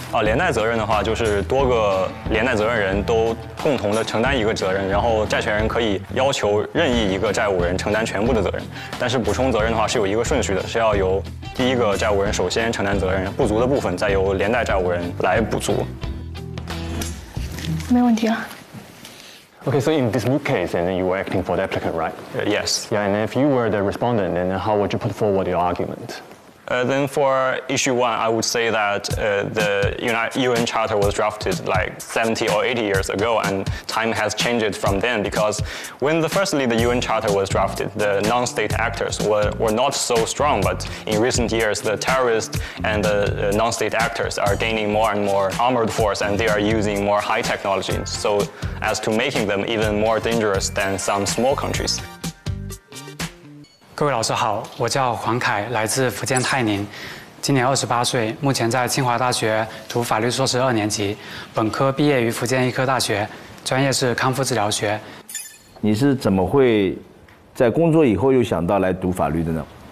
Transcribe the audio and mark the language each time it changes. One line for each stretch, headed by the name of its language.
Chinese: 连带责任的话就是多个连带责任人都共同的承担一个责任，然后债权人可以要求任意一个债务人承担全部的责任，但是补充责任的话是有一个顺序的，是要由第一个债务人首先承担责任，不足的部分再由连带债务人来补足。没问题了。
English: Okay, so in this new case, and then you were acting for the applicant, right? Yes. Yeah, and if you were the respondent, then how would you put forward your argument? Then for issue one, I would say that the UN Charter was drafted like 70 or 80 years ago, and time has changed from then, because when the UN Charter was drafted, the non-state actors were not so strong, but in recent years, the terrorists and the non-state actors are gaining more and more armored force, and they are using more high technology, so as to making them even more dangerous than some small countries.
Chinese: 各位老师好，我叫黄凯，来自福建泰宁，今年28岁，目前在清华大学读法律硕士2年级，本科毕业于福建医科大学，专业是康复治疗学。你是怎么会在工作以后又想到来读法律的呢？